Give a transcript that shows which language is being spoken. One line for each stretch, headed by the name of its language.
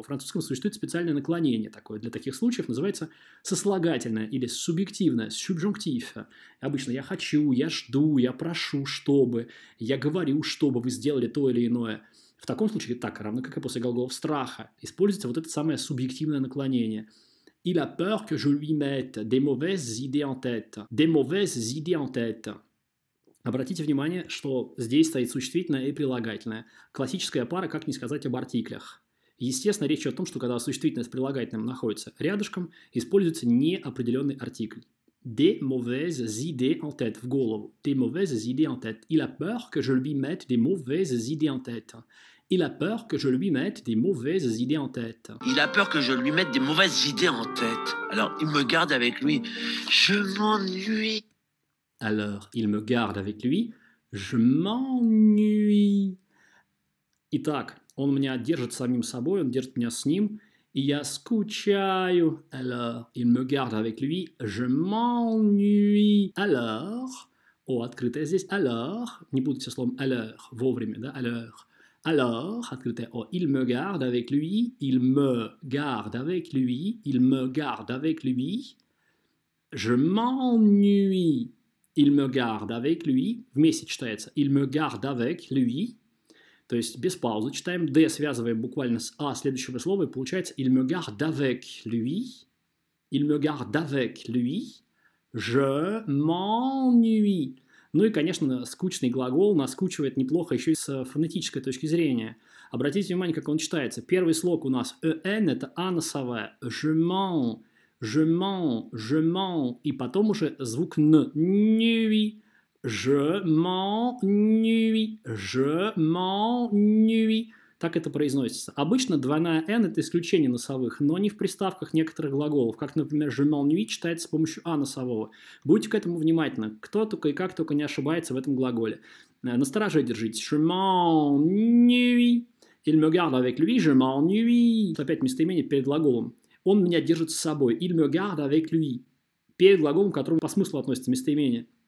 Russian: Во французском существует специальное наклонение такое для таких случаев, называется сослагательное или субъективное, субжунктив. Обычно «я хочу», «я жду», «я прошу», «чтобы», «я говорю», «чтобы вы сделали то или иное». В таком случае, так, равно как и после глаголов страха, используется вот это самое субъективное наклонение.
French: Il a peur que je lui mette des mauvaises idées en tête. Des mauvaises idées en tête.
Russian: Обратите внимание, что здесь стоит существительное и прилагательное. Классическая пара, как не сказать об артиклях. Естественно, речь о том, что когда существительное с прилагательным находится рядышком, используется неопределенный артикль.
French: Des mauvaises idées en tête.
Russian: В голову.
French: Des mauvaises idées en tête. Il a peur que je lui mette des mauvaises idées en tête. Il a peur que je lui mette des mauvaises idées en tête. Il a peur que je lui mette des mauvaises idées en tête. Alors, il me garde avec lui. Je m'ennuie. Alors, il me garde avec lui. Je m'ennuie.
Russian: Итак, он меня держит самим собой, он держит меня с ним. И я скучаю.
French: Alors, il me garde avec lui. Je m'ennuie.
Russian: Alors, о, открытое здесь. Alors, не буду со словом alors, вовремя, да, alors.
French: Alors,
Russian: открытое «о»,
French: «il me garde avec lui», «il me garde avec lui», «il me garde avec lui», «je m'ennuie», «il me garde avec lui»,
Russian: вместе читается
French: «il me garde avec lui»,
Russian: то есть без паузы читаем, «d» связываем буквально с «а» следующего слова, и получается
French: «il me garde avec lui», «il me garde avec lui», Je m'ennuie.
Russian: Ну и, конечно, скучный глагол наскучивает неплохо еще и с фонетической точки зрения. Обратите внимание, как он читается. Первый слог у нас «en» – это «а» носовая.
French: «Je m'en», «je m'en», «je m'en».
Russian: И потом уже звук «n». «Nui».
French: «Je m'ennuie»,
Russian: «je m'ennuie». Так это произносится. Обычно двойная «n» – это исключение носовых, но не в приставках некоторых глаголов, как, например,
French: «je m'ennuie»
Russian: читается с помощью «а» носового. Будьте к этому внимательны, кто только и как только не ошибается в этом глаголе. Настороже держитесь.
French: «Je m'ennuie», «il me garde avec lui», «je m'ennuie».
Russian: Опять местоимение перед глаголом. «Он меня держит с собой»,
French: «il me garde avec lui»,
Russian: перед глаголом, к которому по смыслу относится местоимение.